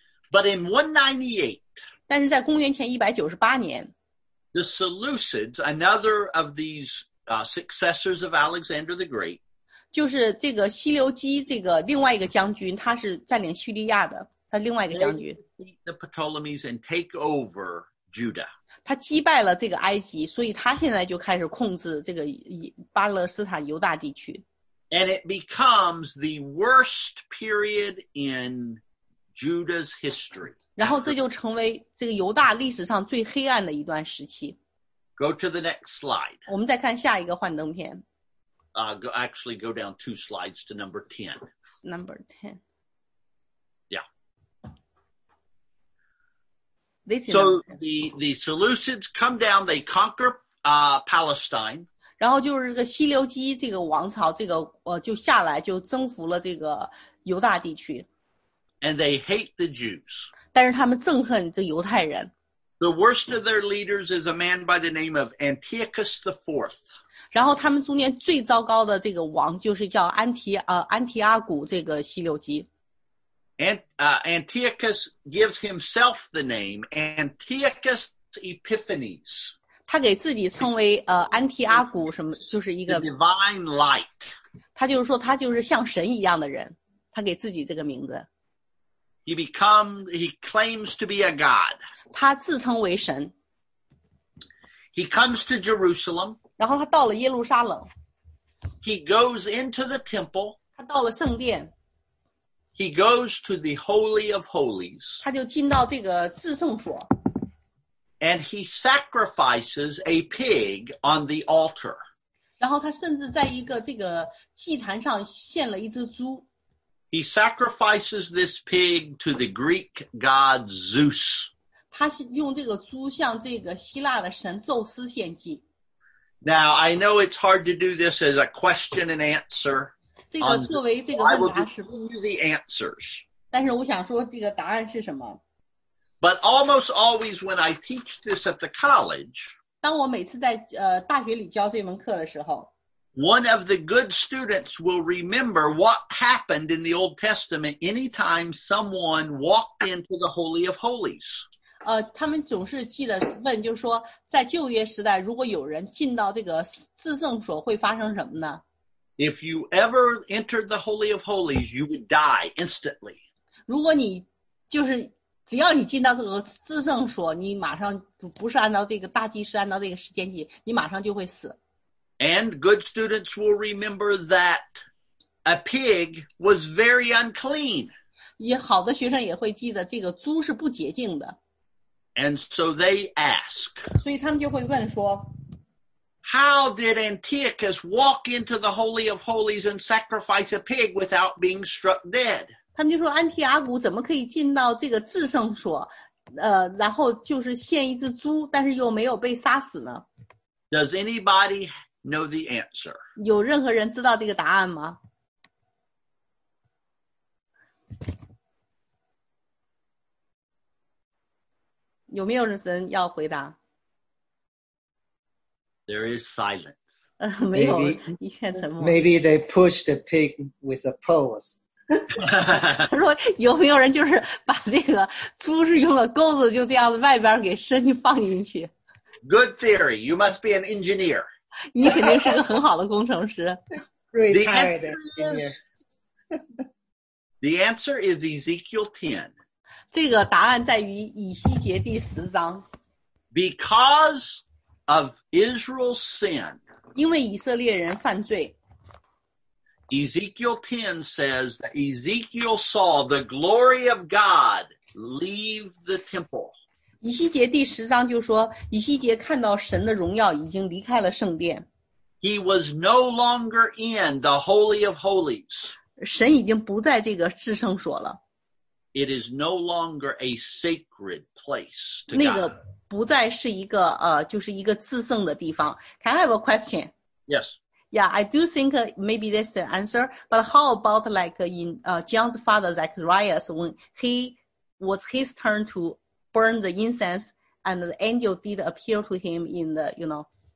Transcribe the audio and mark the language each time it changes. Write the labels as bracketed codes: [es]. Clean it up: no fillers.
[en] But in 198, [zh] 但是在公元前198年, [en] the Seleucids, another of these successors of Alexander the Great, [zh] 就是这个西流基这个另外一个将军，他是占领叙利亚的，他另外一个将军。 [en] They defeat the Ptolemies and take over Judah. [zh] 他击败了这个埃及，所以他现在就开始控制这个巴勒斯坦犹大地区。 [en] And it becomes the worst period in Judah's history. [zh] 然后这就成为这个犹大历史上最黑暗的一段时期。 [en] Go to the next slide. [zh] 我们再看下一个幻灯片。 [en] Actually, go down two slides to number 10. Number 10. So the Seleucids come down, they conquer Palestine. [zh] 然后就是这个西流基这个王朝这个就下来就征服了这个犹大地区。 [en] And they hate the Jews. [zh] 但是他们憎恨这犹太人。 [en] The worst of their leaders is a man by the name of Antiochus the Fourth. [zh] 然后他们中间最糟糕的这个王就是叫安提阿古这个西流基。 [en] Antiochus gives himself the name Antiochus Epiphanes. [zh] 他给自己称为安提阿古什么，就是一个 [en] the divine light. [zh] 他就是说他就是像神一样的人，他给自己这个名字。 [en] He claims to be a god. [zh] 他自称为神。 [en] He comes to Jerusalem. [zh] 然后他到了耶路撒冷。 [en] He goes into the temple. [zh] 他到了圣殿。 [en] He goes to the Holy of Holies. [zh] 他就进到这个至圣所。 [en] And he sacrifices a pig on the altar. [zh] 然后他甚至在一个这个祭坛上献了一只猪。 [en] He sacrifices this pig to the Greek god Zeus. [zh] 他用这个猪向这个希腊的神宙斯献祭。 [en] Now, I know it's hard to do this as a question and answer. [zh] 这个作为这个问答是 [en] I will give you the answers. [zh] 但是我想说这个答案是什么 [en] But almost always when I teach this at the college, [zh] 当我每次在大学里教这门课的时候 [en] one of the good students will remember what happened in the Old Testament anytime someone walked into the Holy of Holies. [zh] 他们总是记得问就是说在旧约时代如果有人进到这个至圣所会发生什么呢 [en] If you ever entered the Holy of Holies, you would die instantly. [zh] 如果你就是只要你进到这个至圣所，你马上不是按照这个大祭司按照这个时间计，你马上就会死。 [en] And good students will remember that a pig was very unclean. [zh] 也好的学生也会记得这个猪是不洁净的。 [en] And so they ask. [zh] 所以他们就会问说。 [en] How did Antiochus walk into the Holy of Holies and sacrifice a pig without being struck dead? [zh] 他们就说安提阿古怎么可以进到这个至圣所，然后就是献一只猪，但是又没有被杀死呢？ [en] Does anybody know the answer? [zh] 有任何人知道这个答案吗？有没有人要回答？ [en] There is silence. Maybe they push the pig with a pole. [zh] 他说有没有人就是把这个猪是用了钩子就这样子外边给伸放进去。 [en] Good theory. You must be an engineer. [zh] 你肯定是个很好的工程师。 [en] The answer is Ezekiel 10. [zh] 这个答案在于以西结第十章。 [en] Because of Israel's sin. [zh] 因为以色列人犯罪。 [en] Ezekiel 10 says that Ezekiel saw the glory of God leave the temple. [zh] 以西结第十章就说，以西结看到神的荣耀已经离开了圣殿。 [en] He was no longer in the Holy of Holies. [zh] 神已经不在这个至圣所了。 [en] It is no longer a sacred place to God. [zh] 那个不再是一个就是一个至圣的地方。 [en] Can I have a question? Yes. Yeah, I do think maybe that's the answer. But how about like in John's father Zacharias, when he was his turn to burn the incense and the angel did appear to him in the, you know?